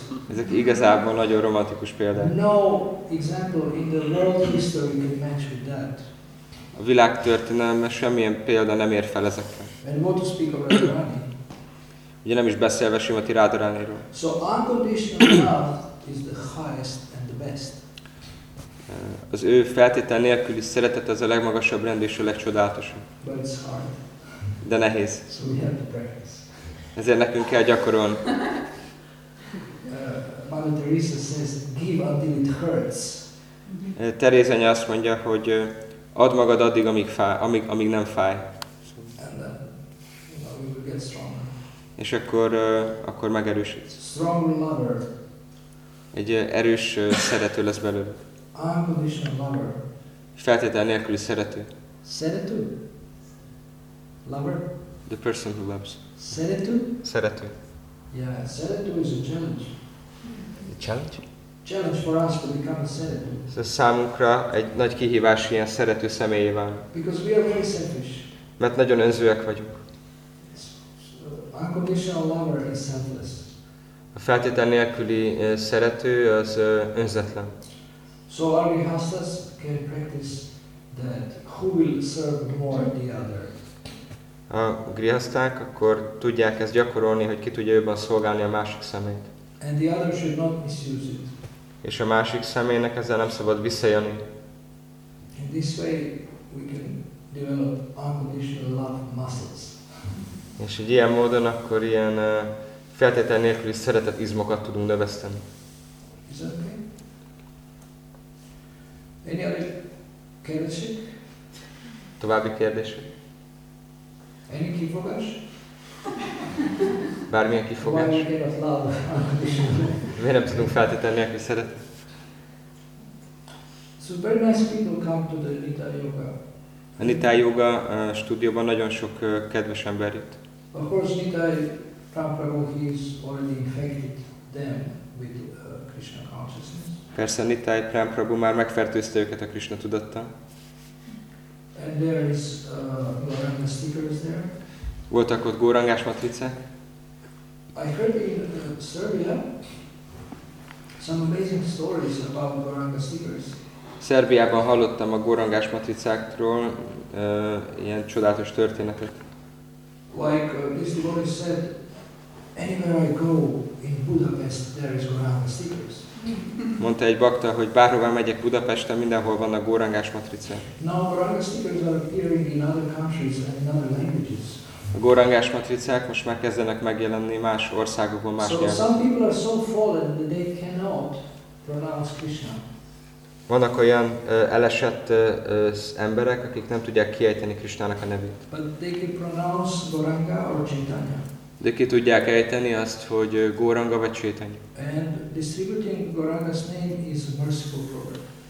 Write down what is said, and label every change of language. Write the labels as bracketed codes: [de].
[hu] Ezek igazából nagyon romantikus példák. [en] No example in the world history can match with that. [hu] A világtörténelme semmilyen példa nem ér fel ezekkel. [en] And what to speak of Radharani? [hu] Ugye nem is beszélve Simati Radharaniról. [en] So unconditional love is the highest and the best. [hu] Az ő feltétel nélküli szeretet az a legmagasabb rend és a legcsodálatosabb. [en] But it's hard. [hu] De nehéz. [en] So we have to practice. [hu] Ezért nekünk kell gyakorolni. [en] Mother Teresa says, give until it hurts. [hu] Teréz anya azt mondja, hogy add magad addig, amíg fáj, amíg nem fáj. [en] And then, you know, we will get stronger. [hu] És akkor megerősítsz. [en] Strong lover. [hu] Egy erős szerető lesz belőle. [en] Unconditional lover. [hu] Feltétel nélküli szerető. Szerető? [en] Lover? The person who loves. [hu] Szerető? Szerető. [en] Yeah, szerető is a challenge. A challenge? Challenge for us to become a szerető. [hu] Ez számunkra egy nagy kihívás, ilyen szerető személyé válni. [en] Because we are very selfish. [hu] Mert nagyon önzőek vagyunk. [en] Unconditional lover is selfless. [hu] A feltétel nélküli szerető az önzetlen. [en] So arihastas can practice that who will serve more the other. [hu] A grihaszták akkor tudják ezt gyakorolni, hogy ki tudja jobban szolgálni a másik szemét. [en] And the other should not misuse it. [hu] És a másik személynek ezzel nem szabad visszajönni. [en] In this way we can develop unconditional love muscles. [hu] És egy ilyen módon akkor ilyen feltétel nélküli szeretet izmokat tudunk növeszteni. [en] Is that okay? Any other [hu] kérdések? További kérdések? [en] Any [hu] kifogás? Bármilyen kifogás. Miért nem tudunk feltétel nélküli szeretet? [en] So very nice people come to the Nitya Yoga. [hu] A Nitya Yoga stúdióban nagyon sok kedves ember jött. [en] Of course, Nitya Prabhu has already infected them with Krishna consciousness. [hu] Persze, Nitya Prabhu már megfertőzte őket a Krishna tudattal. [en] And there is Gauranga stickers there. [hu] Voltak ott Gaurangás matrice. [en] I heard in Serbia some amazing stories about Gauranga stickers. [hu] Szerbiában hallottam a gorangás matricákról ilyen csodálatos történetet. [en] Like this devotee said, anywhere I go in Budapest there is Goranga stickers. [hu] Mondta egy bakta, hogy bárhová megyek Budapesten, mindenhol vannak gorangás matricák. [en] Now Goranga stickers are appearing in other countries and in other languages. [hu] A gorangás matricák most már kezdenek megjelenni más országokban, más nyelven. [en] So some people are so fallen that they cannot pronounce Krishna. [hu] Vannak olyan elesett emberek, akik nem tudják kiejteni Krisnának a nevét. [en] But they can pronounce Goranga or Chaitanya. [hu] De ki tudják ejteni azt, hogy Goranga vagy Chaitanya. [en] And distributing Goranga's name is a merciful program.